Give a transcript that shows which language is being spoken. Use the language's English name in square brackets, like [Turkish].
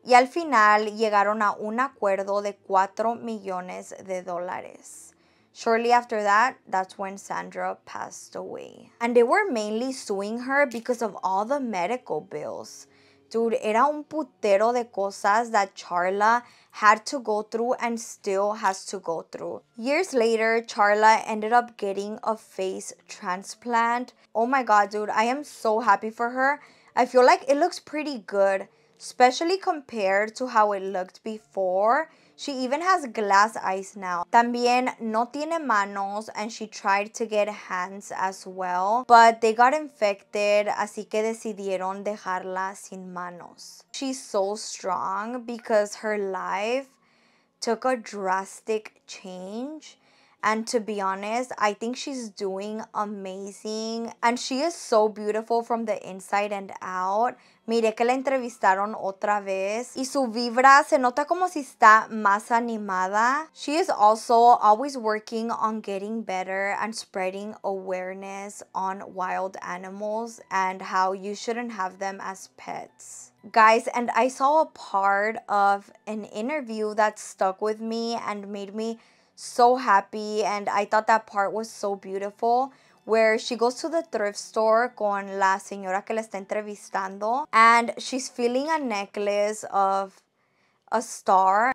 [Spanish] Y al final llegaron a un acuerdo de 4 millones de dólares. [English] Shortly after that, that's when Sandra passed away. And they were mainly suing her because of all the medical bills. Dude, [Spanish] era un putero de cosas [English] that Charla had to go through and still has to go through. Years later, Charla ended up getting a face transplant. Oh my God, dude, I am so happy for her. I feel like it looks pretty good, especially compared to how it looked before. She even has glass eyes now. [Spanish] También no tiene manos, [English] and she tried to get hands as well, but they got infected, [Spanish] así que decidieron dejarla sin manos. [English] She's so strong because her life took a drastic change. And to be honest, I think she's doing amazing. And she is so beautiful from the inside and out. [Spanish] Miré que la entrevistaron otra vez. Y su vibra se nota como si está más animada. [English] She is also always working on getting better and spreading awareness on wild animals and how you shouldn't have them as pets. Guys, and I saw a part of an interview that stuck with me and made me so happy, and I thought that part was so beautiful, where she goes to the thrift store [Spanish] con la señora que la está entrevistando, [English] and she's feeling a necklace of a star.